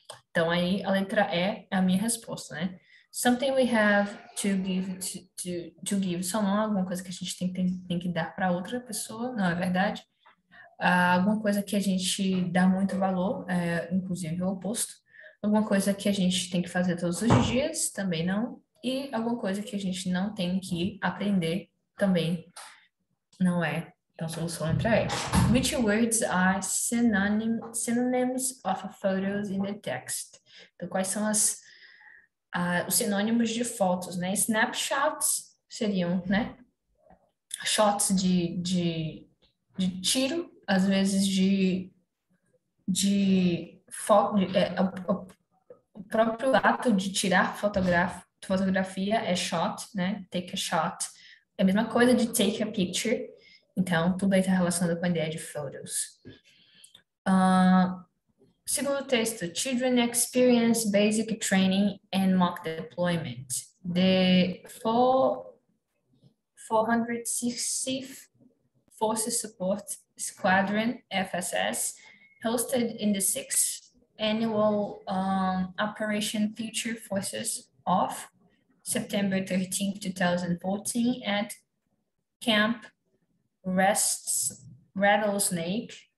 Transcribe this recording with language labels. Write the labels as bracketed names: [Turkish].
[Portuguese] Então, aí a letra E é a minha resposta, né? [English] Something we have to give to give someone, [Portuguese] alguma coisa que a gente tem que dar para outra pessoa, não é verdade? Alguma coisa que a gente dá muito valor, inclusive o oposto. Alguma coisa que a gente tem que fazer todos os dias, também não. E alguma coisa que a gente não tem que aprender, também não é. Então, solução letra E. [English] Which words are synonyms of photos in the text? [Portuguese] Então, quais são os sinônimos de fotos, né? Snapshots seriam, né? Shots de tiro, às vezes de foco, o próprio ato de tirar fotografia é shot, né? [English] Take a shot. [Portuguese] É a mesma coisa de [English] take a picture. [Portuguese] Então, tudo aí está relacionado com a ideia de photos. Segundo texto, [English] Children experience basic training and mock deployment. The 460th Forces Support Squadron, FSS, hosted in the 6th annual Operation Future Forces of September 13th, 2014, at Camp Rattlesnake.